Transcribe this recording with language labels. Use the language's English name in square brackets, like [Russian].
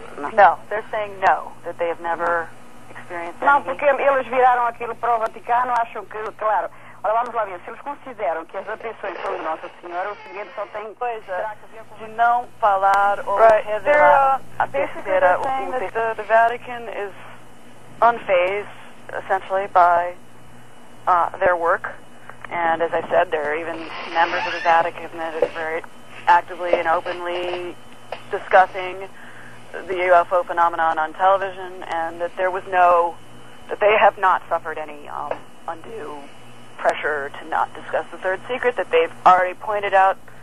[English] No, they're saying no, that they have never experienced [Portuguese] anything. Não, porque eles viraram aquilo para o Vaticano, acham que, claro. Ora, vamos lá ver, se eles consideram que as atenções são de Nossa Senhora, o segredo só tem... Pois é, de não falar ou revelar a terceira. [English] The Vatican is unfazed, essentially, by their work. And as I said, there are even members of the Vatican that are very actively and openly discussing the UFO phenomenon on television, and that there was no, that they have not suffered any undue pressure to not discuss the third secret, that they've already pointed out